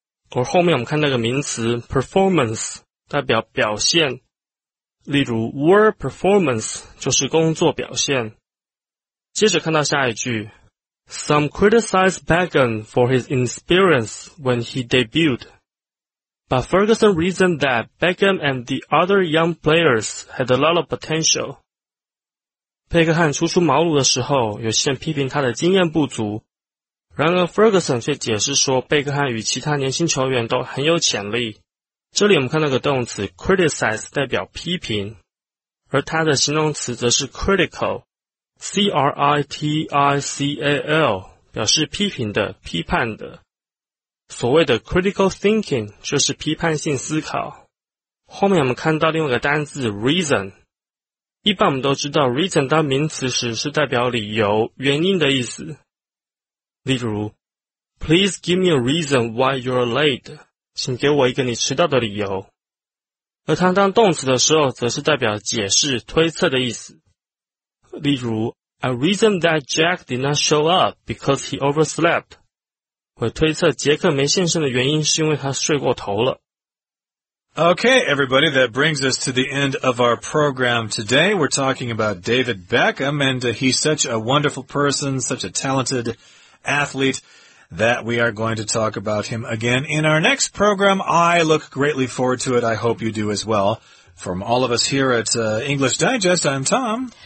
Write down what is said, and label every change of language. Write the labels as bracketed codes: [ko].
[zh] 而后面我们看到个名词 performance 代表表现，例如 [en] work performance [zh] 就是工作表现。 [en] 接着看到下一句， Some criticized Beckham for his inexperience when he debuted, but Ferguson reasoned that Beckham and the other young players had a lot of potential. [zh] 贝克汉初出茅庐的时候，有些人批评他的经验不足，然而 Ferguson 却解释说贝克汉与其他年轻球员都很有潜力。这里我们看到个动词 criticize 代表批评，而他的形容词则是 critical。 C-R-I-T-I-C-A-L 表示批评的、批判的。所谓的 critical thinking 就是批判性思考。后面我们看到另外一个单字 reason。一般我们都知道 reason 当名词时是代表理由、原因的意思。例如 [en] Please give me a reason why you're late， [zh] 请给我一个你迟到的理由。而它当动词的时候则是代表解释、推测的意思。例如 [en] I reasoned that Jack did not show up because he overslept. [zh] 我推测杰克没现身的原因是因为他睡过头了。 [en] Okay, everybody, that brings us to the end of our program today. We're talking about David Beckham, and he's such a wonderful person, such a talented athlete, that we are going to talk about him again in our next program. I look greatly forward to it. I hope you do as well. From all of us here at English Digest, I'm Tom.